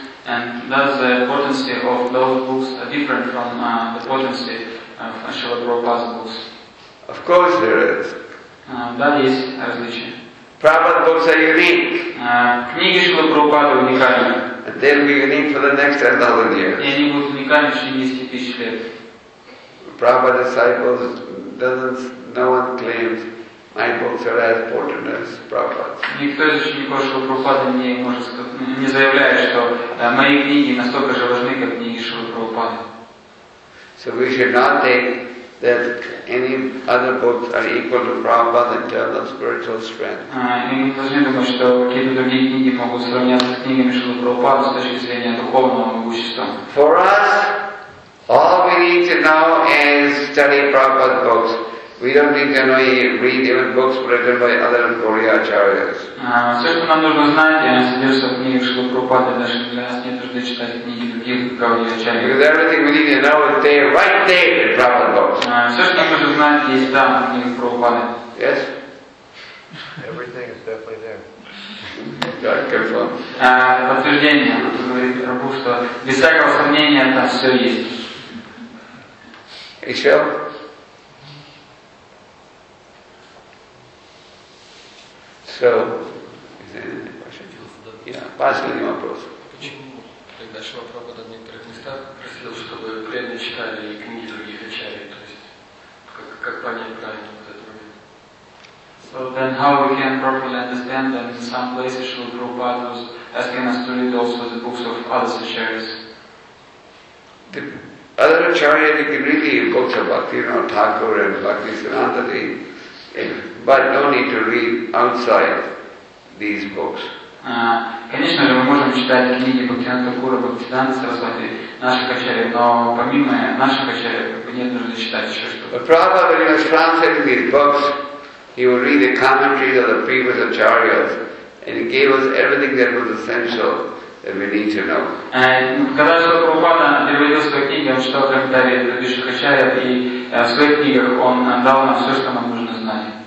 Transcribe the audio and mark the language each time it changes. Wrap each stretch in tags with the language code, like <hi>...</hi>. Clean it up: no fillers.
<en>And does the potency of those books different from the potency of Srila Prabhupada's books? Of course there is. That is</en> <ru>различие.</ru> <en>Prabhupada's books are unique.</en> <ru>Книги Шрилы Прабхупады уникальны.</ru> <en>And they'll be unique for the next 10,000 years.</en> <ru>И они будут уникальны еще 10 тысяч лет.</ru> <en>Prabhupada's disciples, doesn't, no one claims my books are as potent as Prabhupada's.</en> <ru>Никто из учеников Шрилы Прабхупады не может сказать, не заявляет, что мои книги настолько же важны, как книги Шрилы Прабхупады.</ru> <en>So we should not think that any other books are equal to Prabhupada in terms of spiritual strength.</en> <ru>И мы должны думать, что какие-то другие книги могут сравняться с книгами Шрилы Прабхупады с точки зрения духовного могущества.</ru> <en>For us, all we need to know is study Prabhupada's books. We don't need to know, read even books written by other Gaudiya Acharyas.</en> <ru>Все, что нам нужно знать, содержится в книге Шрилы Прабхупады, даже для нас не нужно читать книги других Гаудия Ачарьев.</ru> <en>Because everything we need to know is there, right there in Prabhupada books.</en> <ru>Все, что нам нужно знать, есть там, в книге Прабхупады.</ru> <en>Yes? Everything is definitely there.</en> <ru>Так,</ru> <en>confirm.</en> <ru>Подтверждение. Говорит Рабу, что без всякого сомнения там все есть. Еще?</ru> <en>So, is there any question? Yeah,</en> <ru>последний вопрос. Почему тогда Шрила Прабхупада в некоторых местах просил, чтобы преданные читали и книги других ачарьев? То есть, как понять правильно вот это момент?</ru> <en>So then how we can properly understand that in some places Шрила Прабхупада was asking us to read also the books of other ачарьев? The other ачарьев, you can read the books of Bhaktivinoda Thakur and Bhaktisiddhanta Deen. But no need to read outside these books.</en> <ru>Конечно же, мы можем читать книги Бхактивинода Тхакура, Бхактисиддханта Сарасвати, наших ачарьев, но помимо наших ачарьев, нет нужды читать еще что-то.</ru> <en>Prabhupada, when he was translating these books, he would read the commentaries of the previous acharyas, and he gave us everything that was essential that we need to know.</en> <ru>Когда Шрила Прабхупада переводил свои книги, он читал комментарии предыдущих ачарьев, и в своих книгах он дал нам все, что нам нужно знать.</ru>